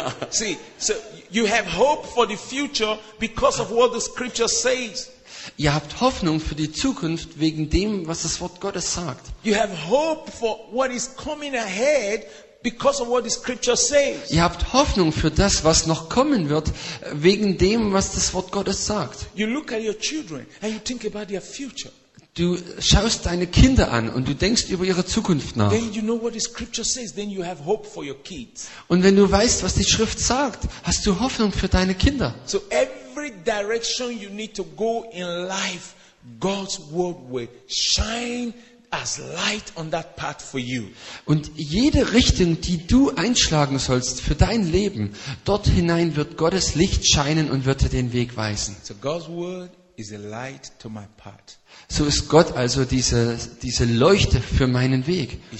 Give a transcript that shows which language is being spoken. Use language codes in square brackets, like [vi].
[en] See, so you have hope for the future because of what the scripture says. [de] Ihr habt Hoffnung für die Zukunft wegen dem, was das Wort Gottes sagt. [en] You have hope for what is coming ahead because of what the scripture says. [de] Ihr habt Hoffnung für das, was noch kommen wird, wegen dem, was das Wort Gottes sagt. [en] You look at your children and you think about their future. [de] Du schaust deine Kinder an und du denkst über ihre Zukunft nach. [en] Then you know what the scripture says, then you have hope for your kids. [de] Und wenn du weißt, was die Schrift sagt, hast du Hoffnung für deine Kinder. [en] So every direction you need to go in life, God's word will shine as light on that path for you. [de] Und jede Richtung, die du einschlagen sollst für dein Leben, dort hinein wird Gottes Licht scheinen und wird dir den Weg weisen. [en] So God's word is a light to my path. [de] So ist Gott also diese Leuchte für meinen Weg.